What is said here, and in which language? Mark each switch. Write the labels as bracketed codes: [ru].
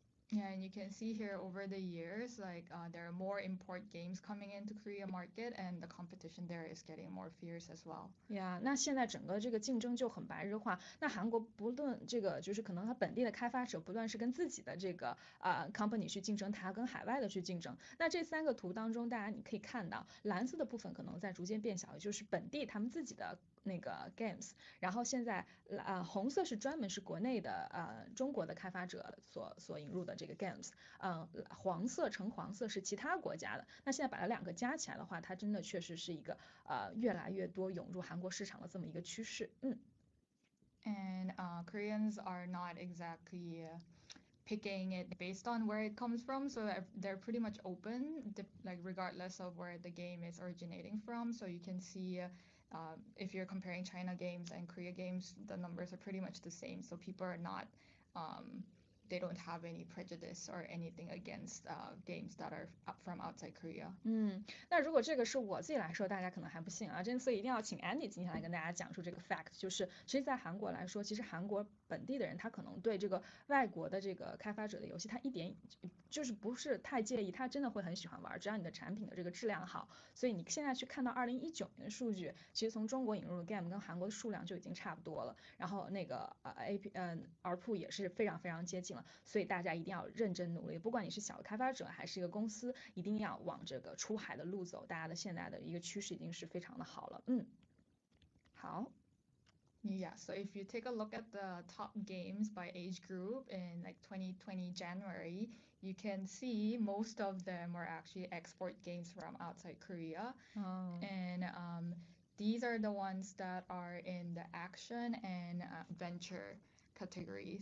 [en] Yeah, and you can see here over the years, like there are more import games coming into Korea market, and the competition there is getting more fierce as well. [zh] 呀，那现在整个这个竞争就很白热化。那韩国不论这个就是可能他本地的开发者，不断是跟自己的这个company 去竞争，他跟海外的去竞争。那这三个图当中，大家你可以看到，蓝色的部分可能在逐渐变小，就是本地他们自己的那个 games。然后现在红色是专门是国内的中国的开发者所引入的这个 games。黄色橙黄色是其他国家的。那现在把它两个加起来的话，它真的确实是一个越来越多涌入韩国市场的这么一个趋势，嗯。 [en] Koreans are not exactly picking it based on where it comes from, so they're pretty much open, like regardless of where the game is originating from. So you can see if you're comparing China games and Korea games, the numbers are pretty much the same. So people are not, they don't have any prejudice or anything against games that are from outside Korea. [zh] 嗯，那如果这个是我自己来说，大家可能还不信啊，这次一定要请 Andy 今天来跟大家讲述这个 fact，就是其实，在韩国来说，其实韩国本地的人他可能对这个外国的这个开发者的游戏，他一点就是不是太介意，他真的会很喜欢玩，只要你的产品的这个质量好。所以你现在去看到2019年的数据，其实从中国引入的 game 跟韩国的数量就已经差不多了，然后那个ARPU 也是非常非常接近了，所以大家一定要认真努力，不管你是小的开发者还是一个公司，一定要往这个出海的路走，大家的现在的一个趋势已经是非常的好了，嗯，好。 [en] Yeah, so if you take a look at the top games by age group in like 2020 January, you can see most of them were actually export games from outside Korea. And these are the ones that are in the action and adventure category.